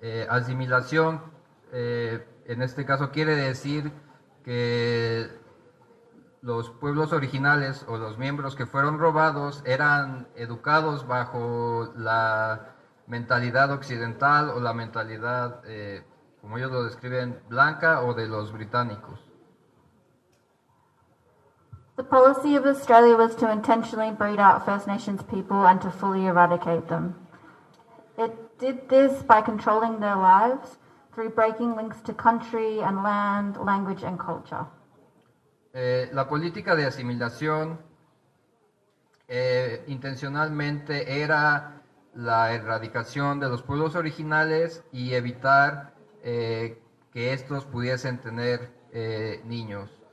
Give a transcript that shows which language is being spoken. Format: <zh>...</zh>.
<es>Asimilación, en este caso, quiere decir que los pueblos originales o los miembros que fueron robados eran educados bajo la mentalidad occidental o la mentalidad, como ellos lo describen, blanca o de los británicos.</es> <en>The policy of Australia was to intentionally breed out First Nations people and to fully eradicate them. It did this by controlling their lives through breaking links to country and land, language and culture.</en> <es>La política de asimilación intencionalmente era la erradicación de los pueblos originales y evitar que estos pudiesen tener niños.</es>